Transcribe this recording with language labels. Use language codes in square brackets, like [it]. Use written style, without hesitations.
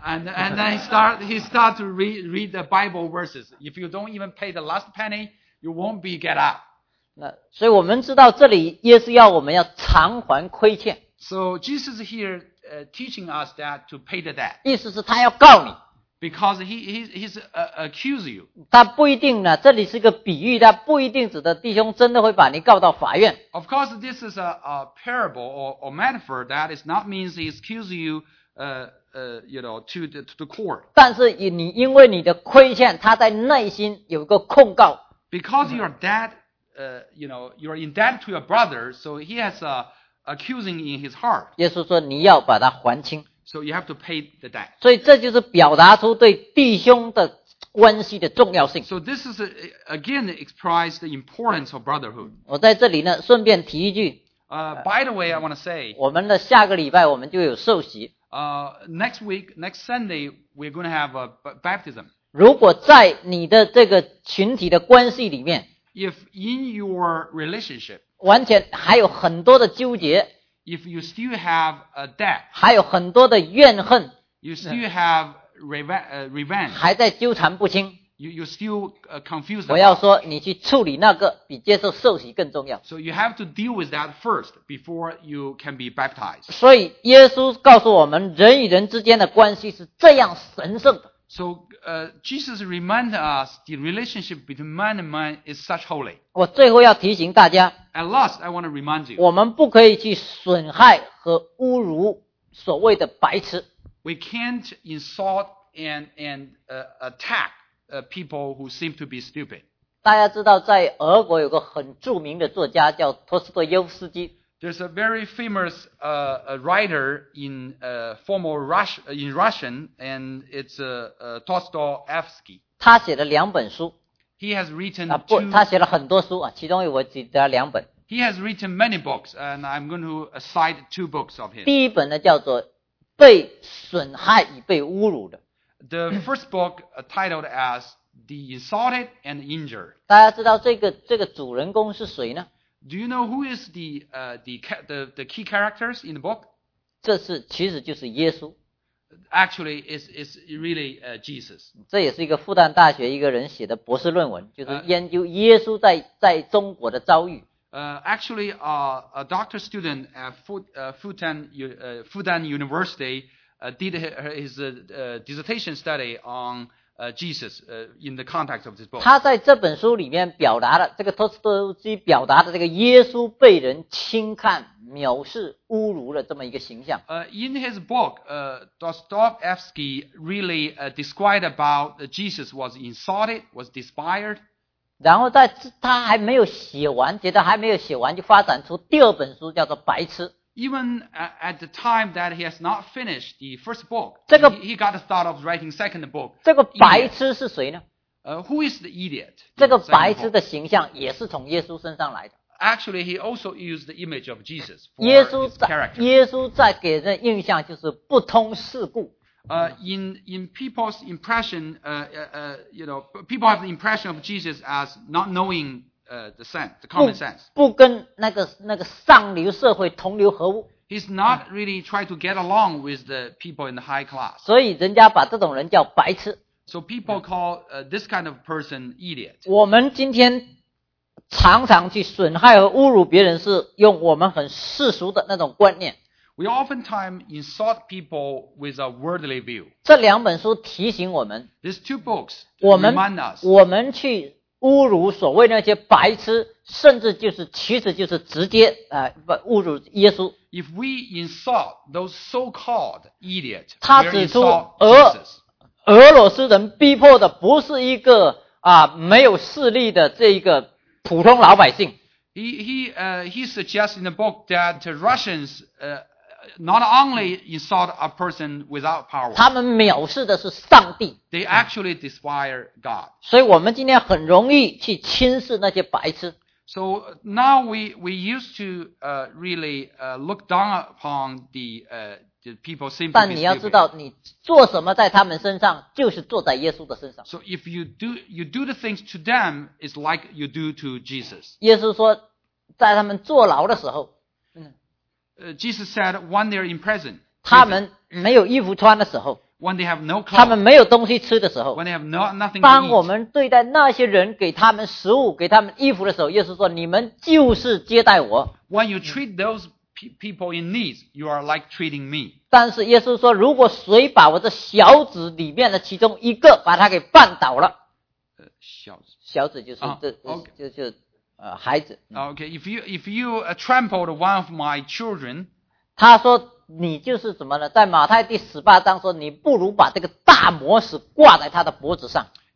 [en] And then he started to read the Bible verses. If you don't even pay the last penny, you won't be get out. [zh] 所以我们知道这里耶稣要我们要偿还亏欠。 [en] So Jesus is here teaching us that to pay the debt. [zh] 意思是他要告你。 [en] Because he's accuse you. [zh] 他不一定呢，这里是个比喻，他不一定指的弟兄真的会把你告到法院。 [en] Of course, this is a parable or metaphor that is not means he accuses you, to the court. [zh] 但是你因为你的亏欠，他在内心有一个控告。 [en] Because you're dead, you're in debt to your brother, so he has a accusing in his heart. [zh] 耶稣说你要把它还清。 [en] So you have to pay the debt. [zh] 所以这就是表达出对弟兄的关系的重要性。 [en] So this is again express the importance of brotherhood. [zh] 我在这里呢，顺便提一句。 [en] By the way, I want to say. [zh] 我们的下个礼拜我们就有受洗。 [en] Next week, next Sunday, we're going to have a baptism. [zh] 如果在你的这个群体的关系里面。 [en] If in your relationship. [zh] 完全还有很多的纠结。 [en] If you still have a debt, [zh] 还有很多的怨恨 [en] you still have revenge, [zh] 还在纠缠不清 [en] you still confused [zh] 我要说你去处理那个比接受受洗更重要 [en] So you have to deal with that first before you can be baptized. [zh] 所以耶稣告诉我们人与人之间的关系是这样神圣的 [en] So Jesus reminded us the relationship between man and man is such holy. [zh] 我最后要提醒大家 [en] At last, I want to remind you. [zh] 我们不可以去损害和侮辱所谓的白痴。 [en] We can't insult and attack people who seem to be stupid. [zh] 大家知道在俄国有个很著名的作家叫托斯托耶夫斯基。 [en] There's a very famous writer in Russian, and it's Dostoevsky. [zh] 他写了两本书。 [en] He has written [zh] 他写了很多书啊，其中我只得了两本。 [en] He has written many books, and I'm going to cite two books of his. [zh] 第一本呢叫做《被损害与被侮辱的》。 [en] The first book titled as The Insulted and Injured. [zh] 大家知道这个主人公是谁呢 [en] ？Do you know who is the key characters in the book? [zh] 这是其实就是耶稣。 [en] Actually, it's really Jesus. [zh] 这也是一个复旦大学一个人写的博士论文，就是研究耶稣在中国的遭遇。 [en] Actually, a doctor student at Fudan University did his dissertation study on Jesus in the context of this book. [zh] 他在这本书里面表达了这个托斯托夫斯基表达的这个耶稣被人轻看、藐视、侮辱的这么一个形象。 [en] In his book, Dostoevsky really described about Jesus was insulted, was despised. [zh] 然后在他还没有写完，觉得还没有写完，就发展出第二本书，叫做《白痴》。 [en] Even at the time that he has not finished the first book, [zh] 这个 [en] he got the thought of writing second book. [zh] 这个白痴是谁呢？ [en] Who is the idiot? [zh] 这个白痴的形象也是从耶稣身上来的。 [en] Actually, he also used the image of Jesus for his character. [zh] 耶稣在给人印象就是不通世故。 [en] In people's impression, people have the impression of Jesus as not knowing the sense, the common sense. [zh] 不跟那个上流社会同流合污。 [en] He's not really trying to get along with the people in the high class. [zh] 所以人家把这种人叫白痴。 [en] So people call this kind of person idiot. [zh] 我们今天常常去损害和侮辱别人，是用我们很世俗的那种观念。 [en] We oftentimes insult people with a worldly view. [zh] 这两本书提醒我们。 [en] These two books remind us. [zh] 我们去侮辱所谓那些白痴，甚至就是其实就是直接侮辱耶稣。 [en] If we insult those so-called idiots, [zh] 他指出俄罗斯人逼迫的不是一个没有势力的这一个普通老百姓。 [en] He suggests in the book that the Russians not only insult a person without power. [zh] 他们藐视的是上帝。 [en] They actually despise God. [zh] 所以我们今天很容易去轻视那些白痴。 [en] So now we used to really look down upon the people simply stupid. [zh] 但你要知道，你做什么在他们身上，就是做在耶稣的身上。 [en] So if you do the things to them, it's like you do to Jesus. [zh] 耶稣说，在他们坐牢的时候。 [en] Jesus said, when they're in prison, [zh] 他们没有衣服穿的时候， [en] when they have no clothes, [zh] 他们没有东西吃的时候， [en] when they have nothing to eat, [zh] 当我们对待那些人给他们食物给他们衣服的时候，耶稣说你们就是接待我。 [en] When you treat those people in need, you are like treating me. [zh] 但是耶稣说，如果谁把我这小子里面的其中一个把他给绊倒了，小子就是这、 [en] okay. [zh] 就是孩子。 [en] Okay, if you trampled one of my children, [zh] 他说你就是怎么呢？在马太第十八章说，你不如把这个大磨石挂在他的脖子上。